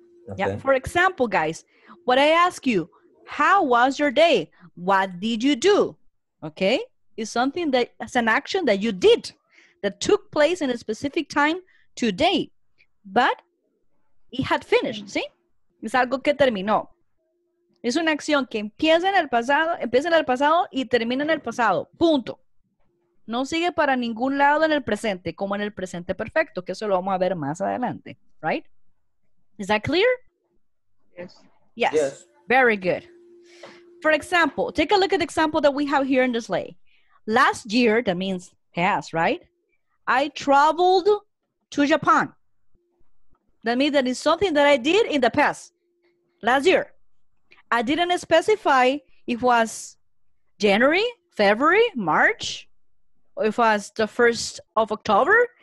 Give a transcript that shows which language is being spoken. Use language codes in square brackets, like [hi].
[en] Okay. Yeah, for example, guys, what I ask you, how was your day? What did you do? Okay, it's something that is an action that you did that took place in a specific time today, but it had finished. [es] See, es algo que terminó. Es una acción que empieza en el pasado y termina en el pasado. Punto. No sigue para ningún lado en el presente, como en el presente perfecto, que eso lo vamos a ver más adelante, right? [en] Is that clear? Yes. Yes. Very good. For example, take a look at the example that we have here in the slide. Last year, that means past, right? I traveled to Japan. That means that it's something that I did in the past. Last year. I didn't specify if it was January, February, March, or if it was the 1st of October.